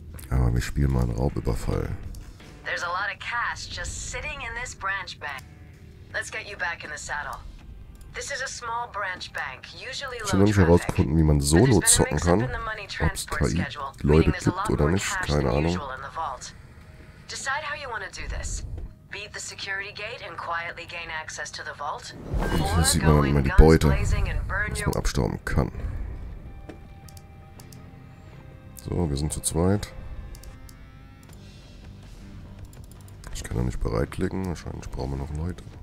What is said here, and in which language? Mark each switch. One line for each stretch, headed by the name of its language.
German: Aber wir spielen mal einen Raubüberfall.
English: There's a lot of cash just sitting in this branch bank. Let's get you back in the saddle. This is a small branch bank, usually low traffic.
German: Ich habe herausgefunden, wie man Solo zocken kann. Ob es KI-Leute gibt oder nicht, keine Ahnung.
English: Decide how you want to do this. Beat the security gate and quietly gain access to the vault.
German: Hier sieht man immer die Beute, was man abstauben kann. So, wir sind zu zweit. Ich kann da nicht bereitklicken, wahrscheinlich brauchen wir noch Leute.